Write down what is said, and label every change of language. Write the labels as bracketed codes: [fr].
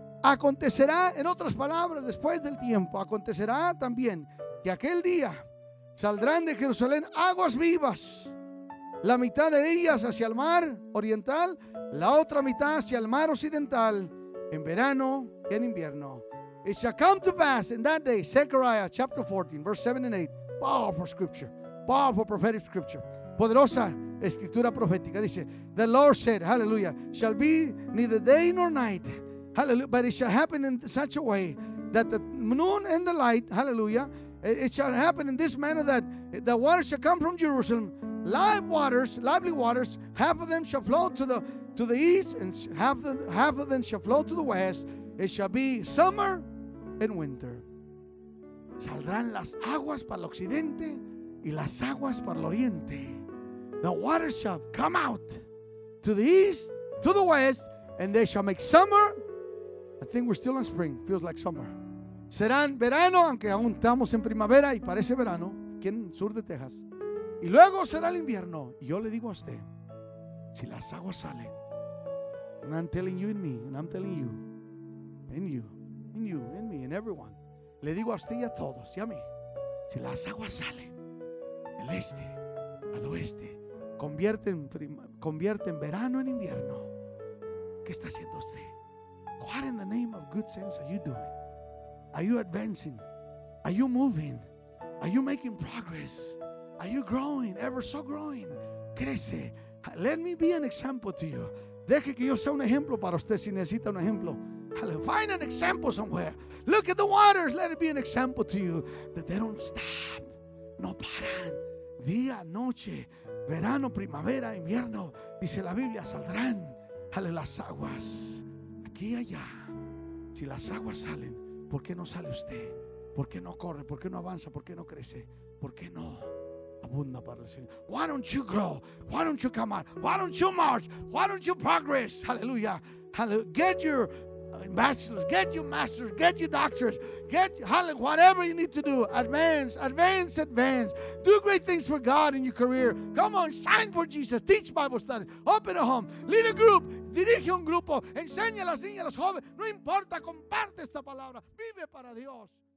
[es] Acontecerá, en otras palabras, después del tiempo, acontecerá también que aquel día saldrán de Jerusalén aguas vivas, la mitad de ellas hacia el mar oriental, la otra mitad hacia el mar occidental, en verano y en invierno. [en] It shall come to pass in that day, Zechariah chapter 14, verse 7 and 8. Powerful scripture, powerful prophetic scripture. [es] Poderosa escritura profética. [en] Dice, the Lord said, hallelujah, shall be neither day nor night, hallelujah, but it shall happen in such a way that the noon and the light, hallelujah, it shall happen in this manner that the waters shall come from Jerusalem, live waters, lively waters. Half of them shall flow to the east, and half of them shall flow to the west. It shall be summer and winter. [es] Saldrán las aguas para el occidente y las aguas para el oriente. [en] The waters shall come out to the east, to the west, and they shall make summer. I think we're still in spring. Feels like summer. [es] Serán verano, aunque aún estamos en primavera y parece verano, aquí en el sur de Texas. Y luego será el invierno. Y yo le digo a usted, si las aguas salen, [en] and I'm telling you in me, and I'm telling you, in you, in you, in me, in everyone. [es] Le digo a usted y a todos y a mí, si las aguas salen del este al oeste, convierten verano en invierno, ¿qué está haciendo usted? [en] What in the name of good sense are you doing? Are you advancing? Are you moving? Are you making progress? Are you growing? Ever so growing? Crece. Let me be an example to you. [es] Deje que yo sea un ejemplo para usted si necesita un ejemplo. [en] Find an example somewhere. Look at the waters. Let it be an example to you that they don't stop. [es] No paran. Día, noche, verano, primavera, invierno. Dice la Biblia, saldrán. Jale las aguas. Aquí y allá. Si las aguas salen, ¿por qué no sale usted? ¿Por qué no corre? ¿Por qué no avanza? ¿Por qué no crece? ¿Por qué no abunda para el Señor? [en] Why don't you grow? Why don't you come out? Why don't you march? Why don't you progress? Hallelujah. Get your bachelor's. Get your master's. Get your doctor's. Get whatever you need to do. Advance, advance, advance. Do great things for God in your career. Come on, shine for Jesus. Teach Bible studies. Open a home. Lead a group. [es] Dirige un grupo, enseña a las niñas, a los jóvenes. No importa, comparte esta palabra. Vive para Dios.